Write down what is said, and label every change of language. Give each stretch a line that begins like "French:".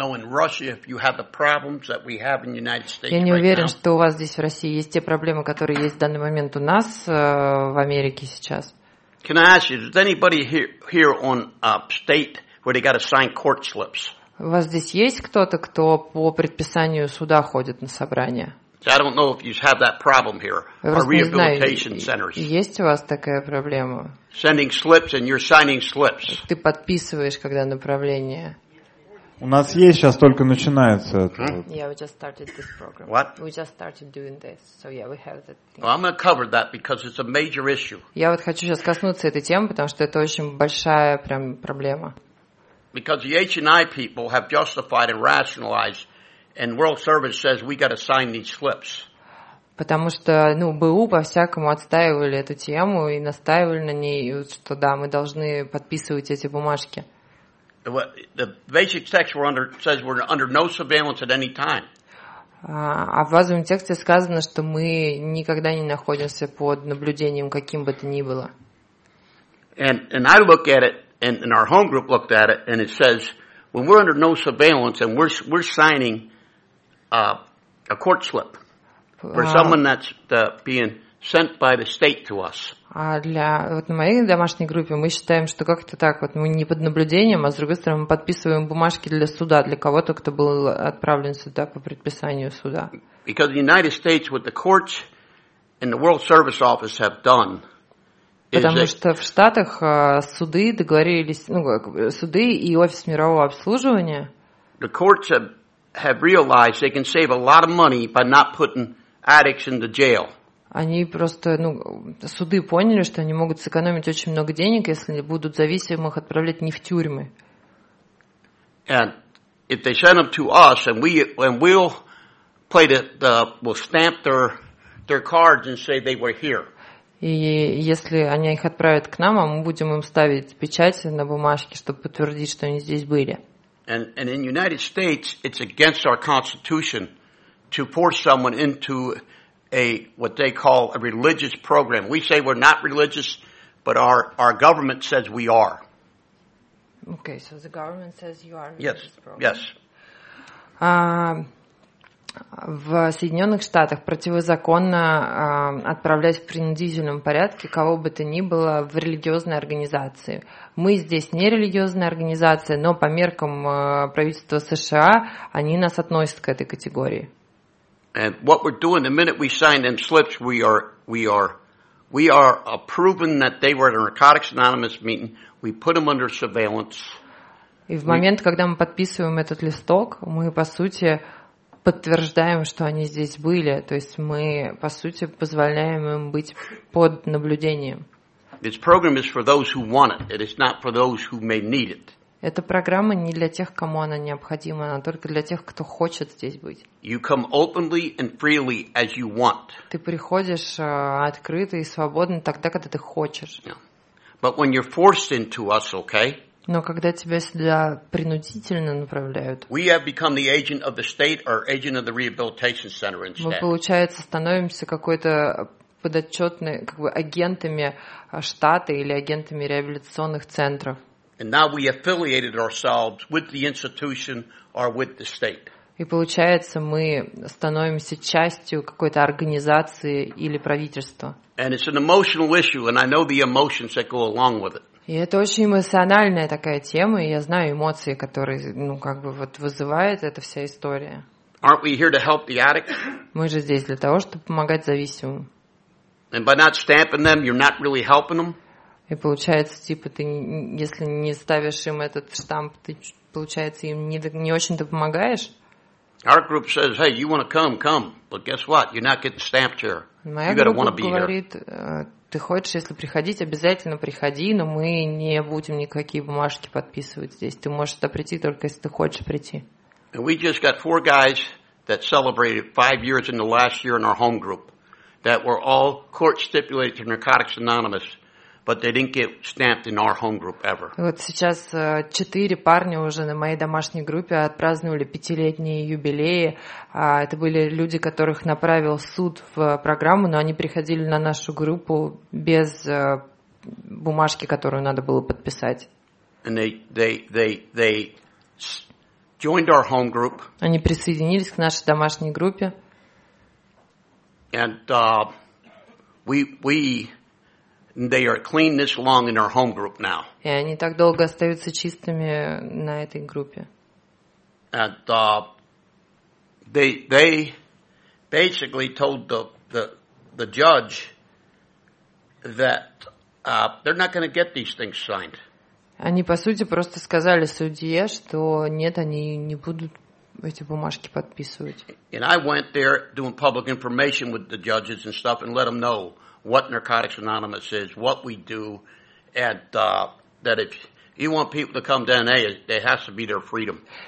Russian: Я не уверен, что у вас здесь в России есть те проблемы, которые есть в данный момент у нас в Америке сейчас.
English: Can I ask you, is anybody here on state where they got to sign court slips?
Russian: У вас здесь есть кто-то, кто по предписанию суда ходит на собрание?
English: So I don't know if you have that problem here. Our rehabilitation centers.
Russian: Есть у вас такая проблема?
English: Sending slips and you're signing slips.
Russian: Ты подписываешь, когда направление. У нас есть, сейчас только начинается это.
English: Yeah, we just started this program. What? We just started doing this. So yeah, we have that thing. Well, I'm going to cover that because it's a major issue.
Russian: Я вот хочу сейчас коснуться этой темы, потому что это очень большая прям проблема.
English: Because the H&I people have justified and rationalized. And World Service says we got to sign these slips.
Russian: Потому что, БУ по-всякому отстаивали эту тему и настаивали на ней, что да, мы должны подписывать эти бумажки.
English: The basic text says we're under no surveillance at any time.
Russian: А в базовом тексте сказано, что мы никогда не находимся под наблюдением каким бы то ни было.
English: And I look at it, and our home group looked at it, and it says when we're under no surveillance and we're signing a court slip for someone that's being sent by the state to us.
Russian: А для вот на моей домашней группе мы считаем, что как-то так вот мы не под наблюдением, а с другой стороны мы подписываем бумажки для суда для кого-то, кто был отправлен сюда по предписанию суда.
English: Because the United States, what the courts and the World Service Office have done.
Russian: Потому что в Штатах суды договорились, суды и офис мирового обслуживания.
English: The courts have realized they can save a lot of money by not putting addicts in the jail.
Russian: Они просто, суды поняли, что они могут сэкономить очень много денег, если будут зависимых отправлять не в тюрьмы.
English: And if they send them to us, and we'll play the we'll stamp their cards and say they were here.
Russian: И если они их отправят к нам, а мы будем им ставить печать на бумажке, чтобы подтвердить, что они здесь были.
English: And in the United States, it's against our constitution to force someone into a what they call a religious program. We say we're not religious, but our government says we are. Okay, so the government says you are a religious program. Yes.
Russian: В Соединенных Штатах противозаконно отправлять в принудительном порядке кого бы то ни было в религиозные организации. Мы здесь не религиозная организация, но по меркам правительства США они нас относят к этой категории.
English: And what we're doing, the minute we sign them slips, we are approving that they were at a Narcotics Anonymous meeting. We put them under surveillance.
Russian: И в момент, когда мы подписываем этот листок, мы по сути подтверждаем, что они здесь были. То есть мы, по сути, позволяем им быть под наблюдением.
English: This program is for those who want it. It is not for those who may need it.
Russian: Эта программа не для тех, кому она необходима, она только для тех, кто хочет здесь быть.
English: You come openly and freely as you want.
Russian: Ты приходишь открыто и свободно тогда, когда ты хочешь.
English: Yeah. But when you're forced into us, okay?
Russian: Но когда тебя сюда принудительно направляют,
English: we have become the agent of the state or agent of the rehabilitation center instead.
Russian: Мы, получается, становимся какой-то подотчетными, как бы агентами штата или агентами реабилитационных центров.
English: And now we affiliated ourselves with the institution or with the state.
Russian: И получается, мы становимся частью какой-то организации или правительства.
English: And it's an emotional issue, and I know the emotions that go along with it.
Russian: И это очень эмоциональная такая тема, и я знаю эмоции, которые, ну, как бы вот вызывает эта вся история.
English: Aren't we here to help the addict?
Russian: Мы же здесь для того, чтобы помогать зависимым.
English: And by not stamping them, you're not really helping them.
Russian: И получается, типа, ты, если не ставишь им этот штамп, ты, получается, им не очень-то помогаешь?
English: Our group says, hey, you want to come, come. But guess what? You're not getting stamped here.
Russian: Моя группа говорит, ты хочешь, если приходить, обязательно приходи, но мы не будем никакие бумажки подписывать здесь. Ты можешь туда прийти, только если ты хочешь прийти.
English: And we just got four guys that celebrated 5 years in the last year in our home group that were all court-stipulated to Narcotics Anonymous. But they didn't get stamped in our home group ever.
Russian: Вот сейчас четыре парня уже на моей домашней группе отпраздновали 5-летние юбилеи. Это были люди, которых направил суд в программу, но они приходили на нашу группу без бумажки, которую надо было подписать.
English: And they joined our home group.
Russian: Они присоединились к нашей домашней группе.
English: And we they are clean this long in our home group now.
Russian: И они так долго остаются чистыми на этой группе.
English: And they basically told the judge that they're not going to get these things signed.
Russian: Они по сути просто сказали судье, что нет, они не будут эти бумажки подписывать.
English: And I went there doing public information with the judges and stuff and let them know what Narcotics Anonymous is, what we do, and that if you want people to come to NA, it has to be their freedom.